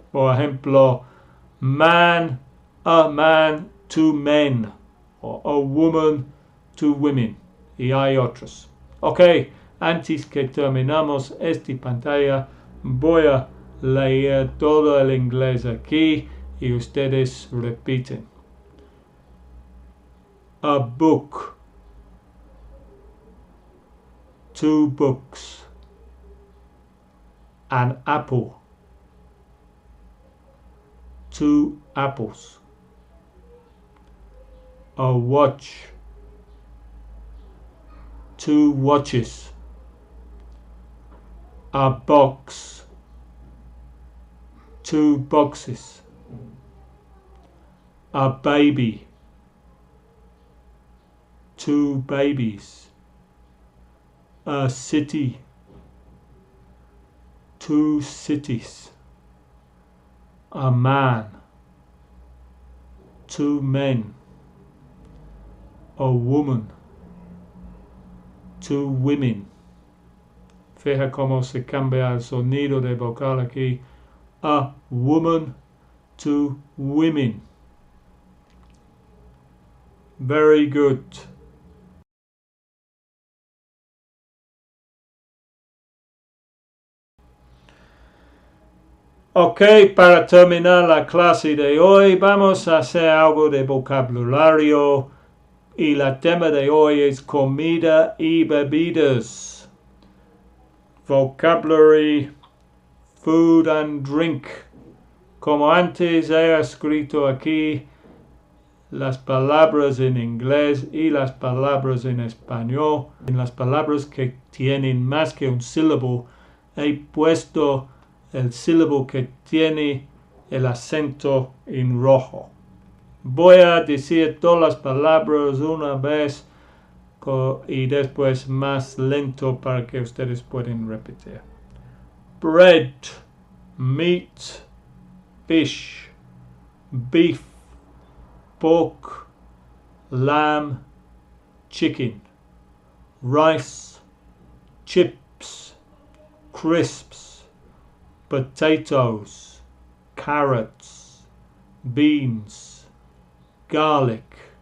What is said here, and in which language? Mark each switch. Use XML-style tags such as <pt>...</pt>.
<es>Por ejemplo,</es> <en>man, a man, two men,</en> <es>o</es> <en>a woman, two women,</en> <es>y hay otros. Ok, antes que terminamos esta pantalla, voy a leer todo el inglés aquí y ustedes repiten.</es> <en>A book, two books, an apple, two apples, a watch, two watches, a box, two boxes, a baby, two babies, a city, two cities, a man, two men, a woman, two women.</en> <es>Fija cómo se cambia el sonido de vocal aquí.</es> <en>A woman, two women. Very good.</en> <es>Ok, para terminar la clase de hoy, vamos a hacer algo de vocabulario. Y la tema de hoy es comida y bebidas.</es> <en>Vocabulary, food and drink.</en> <es>Como antes he escrito aquí, las palabras en inglés y las palabras en español. En las palabras que tienen más que un sílabo, he puesto el sílabo que tiene el acento en rojo. Voy a decir todas las palabras una vez y después más lento para que ustedes puedan repetir.</es> <en>Bread, meat, fish, beef, pork, lamb, chicken, rice, chips, crisps, potatoes, carrots, beans, garlic,</en>